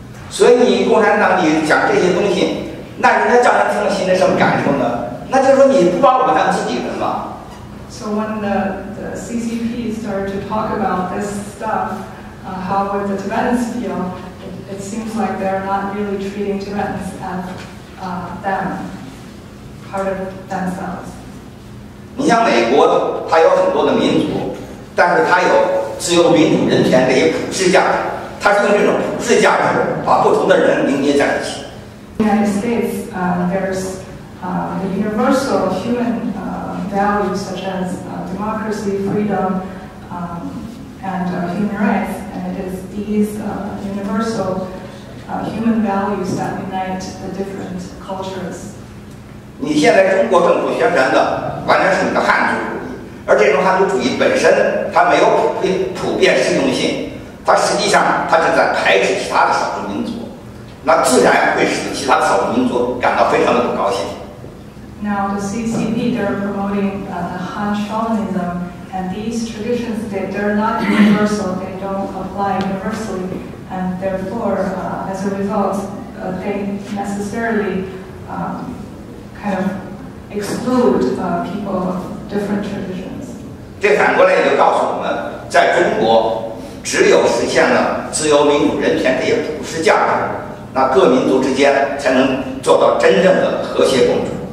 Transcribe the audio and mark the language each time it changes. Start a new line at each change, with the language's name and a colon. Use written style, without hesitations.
Chinese: 所以你共产党你讲这些东西，那人家叫他听了心里什么感受呢？那就是说你不把我们当自己人吗？
English: So when the CCP started to talk about this stuff,how would the Tibetans feel? It seems like they're not really treating Tibetans as them, part of themselves.
Chinese: 你像美国，它有很多的民族，但是它有自由民主人权这些普世价值，它是用这种普世价值把不同的人凝结在一起。
English: United States, there's the universal human values such as democracy, freedom, and human rights. These universal human values that unite the different cultures.
Chinese: 你现在中国政府宣传的完全是你的汉族主义，而这种汉族主义本身它没有普遍适用性，它实际上它是在排斥其他的少数民族，那自然会使其他少数民族感到非常的不高兴。
English: Now the CCP they're promoting the Han shamanism. And these traditions, they're not universal, they don't apply universally, and therefore, as a result, they necessarily kind of exclude people of different traditions.
Chinese: 这反过来也就告诉我们，在中国，只有实现了自由、民主、人权这些普世价值，那各民族之间才能做到真正的和谐共处。